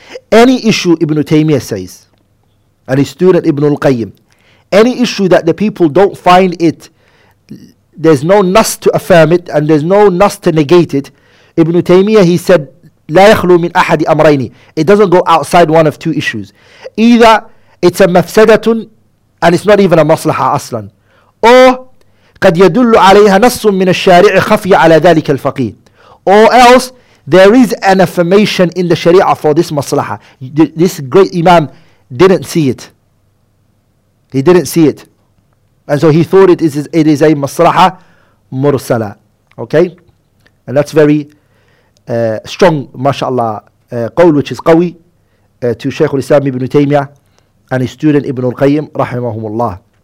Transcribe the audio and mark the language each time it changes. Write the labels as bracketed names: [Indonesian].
[English] Any issue, Ibn Taymiyyah says, and his student Ibn al-Qayyim, any issue that the people don't find it, there's no nas to affirm it, and there's no nas to negate it, Ibn Taymiyyah, he said, [Arabic] لا يخلو من أحد أمرين. [English] It doesn't go outside one of two issues. Either it's a mafsadatun, and it's not even a maslaha aslan. [Arabic] Or قد يدل عليها نص من الشارع خفي على ذلك الفقيه. [English] Or else there is an affirmation in the sharia for this maslaha. This great imam didn't see it. He didn't see it, and so he thought it is a maslaha mursala. Okay, and that's very strong, mashallah, qawl, which is qawi, to Shaykh al-Islam ibn Taymiyyah and his student Ibn al-Qayyim, rahimahumullah.